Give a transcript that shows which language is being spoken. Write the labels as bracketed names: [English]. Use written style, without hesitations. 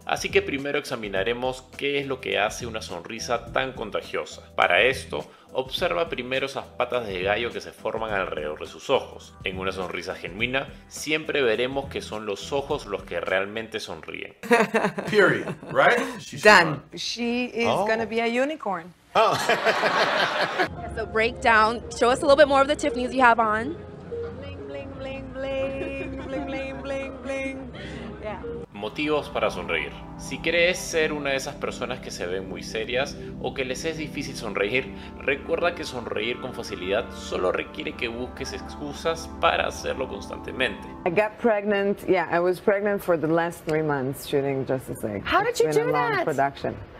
[Spanish] Así que primero examinaremos qué es lo que hace una sonrisa tan contagiosa. Para esto, observa primero esas patas de gallo que se forman alrededor de sus ojos. En una sonrisa genuina, siempre veremos que son los ojos los que realmente sonríen. [English] Period, right? She's done. She is gonna be a unicorn. Oh. So break down. Show us a little bit more of the Tiffany's you have on. Bling, bling, bling, bling, bling, bling, bling, bling. [Spanish] Yeah. Motivos para sonreír. Si crees ser una de esas personas que se ven muy serias o que les es difícil sonreír, recuerda que sonreír con facilidad solo requiere que busques excusas para hacerlo constantemente. [English] I got pregnant. Yeah, I was pregnant for the last 3 months shooting Justice League. How did you do that? It's been a long production.